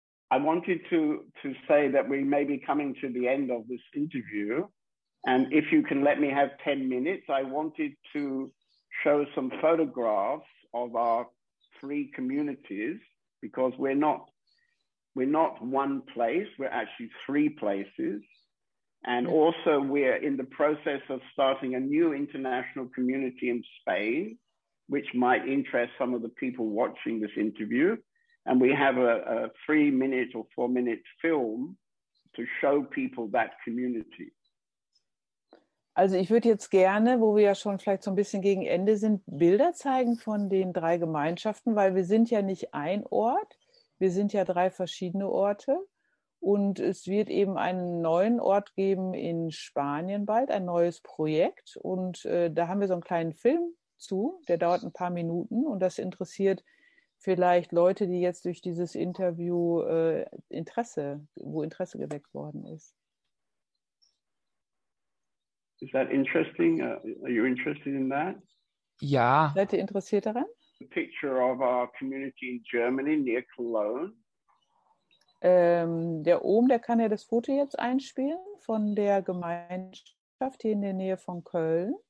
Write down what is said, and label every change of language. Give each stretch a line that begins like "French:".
English: I wanted to say that we may be coming to the end of this interview, and if you can let me have 10 minutes, I wanted to show some photographs of our three communities, because we're not one place, we're actually three places, and also we're in the process of starting a new international community in Spain, which might interest some of the people watching this interview. And we have a 3-minute or 4-minute film to show people that community.
German: Also ich würde jetzt gerne, wo wir ja schon vielleicht so ein bisschen gegen Ende sind, Bilder zeigen von den drei Gemeinschaften, weil wir sind ja nicht ein Ort, wir sind ja drei verschiedene Orte. Und es wird eben einen neuen Ort geben in Spanien bald, ein neues Projekt. Und da haben wir so einen kleinen Film zu, der dauert ein paar Minuten und das interessiert vielleicht Leute, die jetzt durch dieses Interview Interesse geweckt worden ist.
English: Is that interesting? Are you interested in that?
German: Ja. Seid ihr interessiert daran?
English: A picture of our community in Germany near Cologne.
German: Der Ohm, der kann ja das Foto jetzt einspielen von der Gemeinschaft hier in der Nähe von Köln.